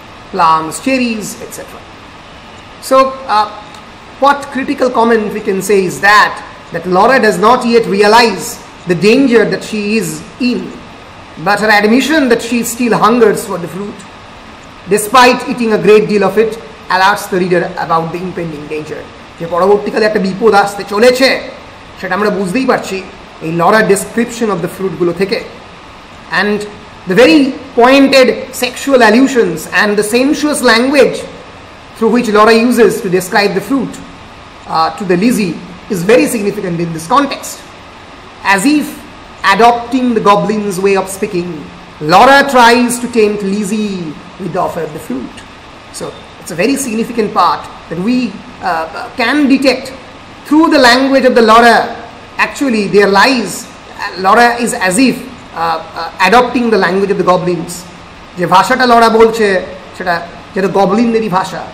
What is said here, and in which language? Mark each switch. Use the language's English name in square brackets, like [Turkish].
[English] Plums, cherries, etc. So, what critical comment we can say is that Laura does not yet realize the danger that she is in, but her admission that she still hungers for the fruit, despite eating a great deal of it, alerts the reader about the impending danger. [Bangla] যে পরবর্তীকালে একটা বিপদ আসতে চলেছে সেটা আমরা বুঝতেই পারছি এই লরার ডিসক্রিপশন অফ দ্য ফ্রুটগুলো থেকে. [English] And the very pointed sexual allusions and the sensuous language through which Laura uses to describe the fruit to the Lizzie is very significant in this context. As if adopting the goblins way of speaking, Laura tries to tempt Lizzie with the offer of the fruit. So it's a very significant part that we can detect through the language of the Laura. Actually, there lies, Laura is as if adopting the language of the goblins. [Bangla] Je bhasha ta Laura bolche seta jeta goblin deri bhasha.